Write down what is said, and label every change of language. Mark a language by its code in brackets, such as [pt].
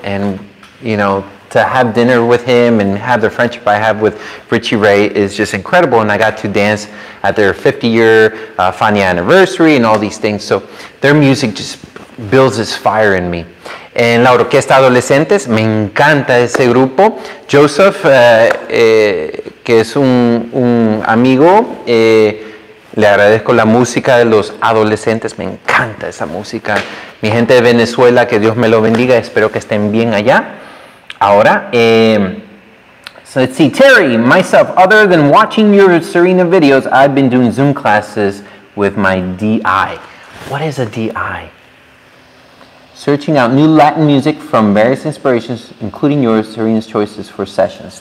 [en] And, you know, to have dinner with him and have the friendship I have with Richie Ray is just incredible. And I got to dance at their 50-year Fania anniversary and all these things. So their music just builds this fire in me. [es] And La Orquesta Adolescentes, me encanta ese grupo. Joseph, que es un amigo, le agradezco la música de los adolescentes. Me encanta esa música. Mi gente de Venezuela, que Dios me lo bendiga. Espero que estén bien allá. [en] Ahora, so let's see, Terry, myself, other than watching your Serena videos, I've been doing Zoom classes with my DI. What is a DI? Searching out new Latin music from various inspirations, including yours, Serena's choices for sessions.